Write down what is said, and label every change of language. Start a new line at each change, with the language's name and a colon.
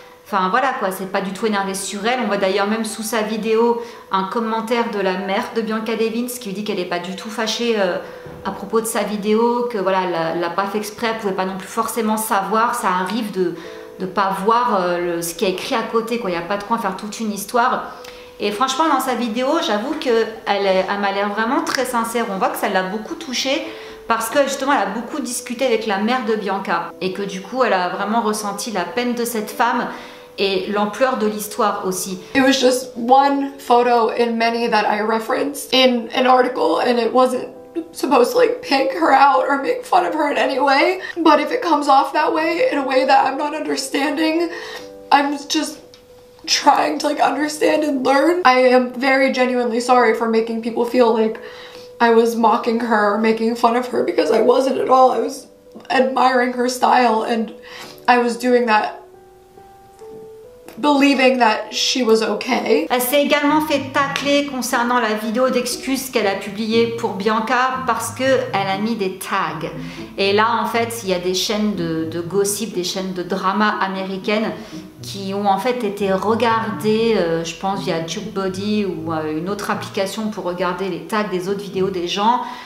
French: Enfin voilà quoi, c'est pas du tout énervé sur elle. On voit d'ailleurs même sous sa vidéo un commentaire de la mère de Bianca Devins qui lui dit qu'elle est pas du tout fâchée à propos de sa vidéo, que voilà, elle l'a pas fait exprès, elle pouvait pas non plus forcément savoir, ça arrive de pas voir ce qui est écrit à côté quoi, il y a pas de quoi faire toute une histoire. Et franchement dans sa vidéo, j'avoue qu'elle m'a l'air vraiment très sincère, on voit que ça l'a beaucoup touchée. Parce que justement, elle a beaucoup discuté avec la mère de Bianca et que du coup, elle a vraiment ressenti la peine de cette femme et l'ampleur de l'histoire aussi.
English: It was just one photo in many that I referenced in an article and it wasn't supposed to like pick her out or make fun of her in any way. But if it comes off that way, in a way that I'm not understanding, I'm just trying to like understand and learn. I am very genuinely sorry for making people feel like I was mocking her or making fun of her because I wasn't at all. I was admiring her style and I was doing that believing that she was okay.
French: Elle s'est également fait tacler concernant la vidéo d'excuses qu'elle a publiée pour Bianca parce qu'elle a mis des tags. Et là, en fait, il y a des chaînes de gossip, des chaînes de drama américaines qui ont en fait été regardées, je pense, via TubeBuddy ou une autre application pour regarder les tags des autres vidéos des gens.